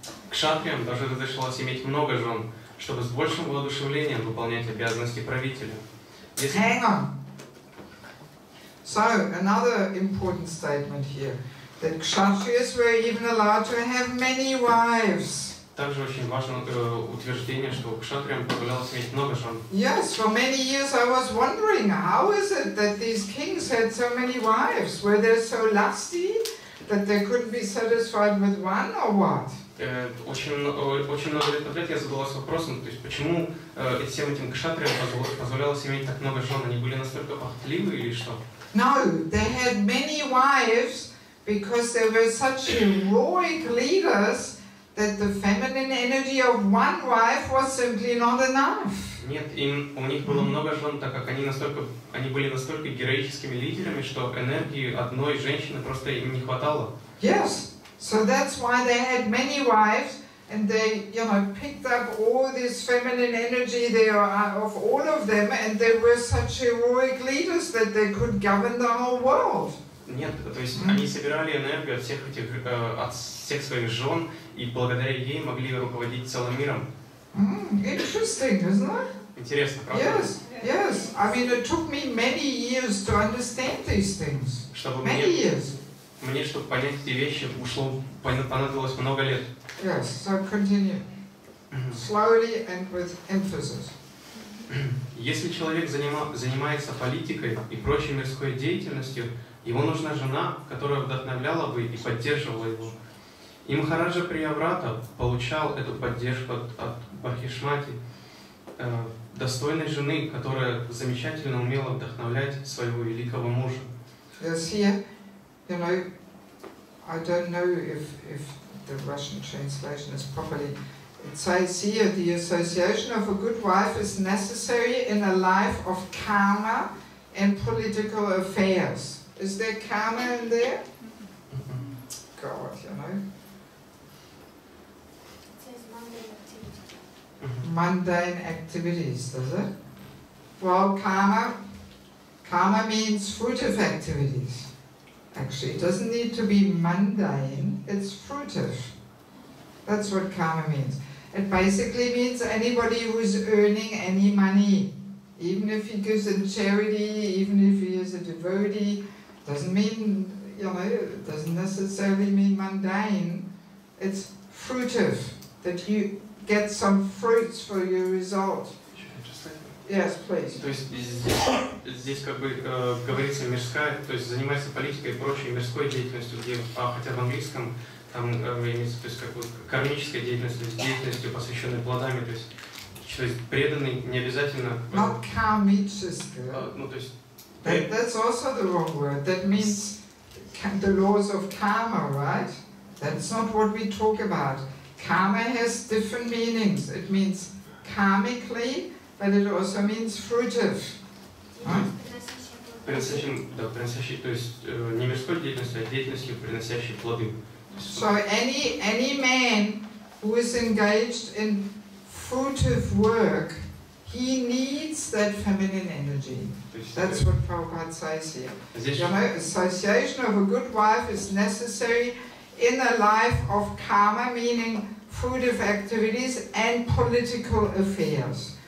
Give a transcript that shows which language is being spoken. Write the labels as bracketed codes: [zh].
[ru] Кшатриям даже разрешалось иметь много жен, чтобы с большим воодушевлением выполнять обязанности правителя. [en] Если... Hang on. So, another important statement here, that Kshatriyas were even allowed to have many wives. [ru] Также очень важно утверждение, что кшатриям позволялось иметь много жен. [en] Yes, for many years I was wondering, how is it that these kings had so many wives? Were they so lusty that they couldn't be satisfied with one or what? [ru] Очень много лет назад я задавался вопросом, то есть почему всем этим кшатриям позволялось иметь так много жен, они были настолько похотливы или что? [en] No, they had many wives because they were such heroic leaders that the feminine energy of one wife was simply not enough. [ru] Нет, им у них было много жен, так как они были настолько героическими лидерами, что энергии одной женщины просто им не хватало. [en] Yes. So that's why they had many wives, and they, you know, picked up all this feminine energy there of all of them, and they were such heroic leaders that they could govern the whole world. [ru] Нет, то есть они собирали энергию от всех этих от всех своих жен, и благодаря ей могли руководить целым миром. [en] Interesting, isn't it? [ru] Интересно, правда? [en] Yes. Yes. I mean, it took me many years to understand these things. [ru] Чтобы [en] many [ru] мне... [en] years. [ru] Мне, чтобы понять эти вещи, ушло понадобилось много лет. [en] Yes, so continue. Slowly and with emphasis. [ru] Если человек занимается политикой и прочей мирской деятельностью, ему нужна жена, которая вдохновляла бы и поддерживала его. И Махараджа Приябрата получал эту поддержку от Бахишмати, достойной жены, которая замечательно умела вдохновлять своего великого мужа. [en] Yes, here. You know, I don't know if the Russian translation is properly. It says here, the association of a good wife is necessary in a life of karma and political affairs. Is there karma in there? Mm-hmm. God, you know. It says mundane activities. Mm-hmm. Mundane activities, does it? Well, karma means fruitive activities. Actually, it doesn't need to be mundane, it's fruitive. That's what karma means. It basically means anybody who is earning any money, even if he gives in charity, even if he is a devotee, doesn't necessarily mean mundane. It's fruitive, that you get some fruits for your result. Yes, please. [ru] То есть здесь как бы говорится мирская, то есть занимается политикой и прочей мирской деятельностью, где, хотя в английском там имеется, то есть как бы кармической деятельностью, деятельностью, посвященной плодами, то есть преданный не обязательно. [en] Not кармическая. [ru] Ну то есть. [en] That's also the wrong word. That means the laws of karma, right? That's not what we talk about. Karma has different meanings. It means karmically. But it also means fruitive. [ru] Приносящий, то есть не мирской деятельностью, а деятельностью, приносящей плоды. [en] So any man who is engaged in fruitive work, he needs that feminine energy. That's what Prabhupada says here. You know, association of a good wife is necessary in a life of karma, meaning fruitive activities and political affairs.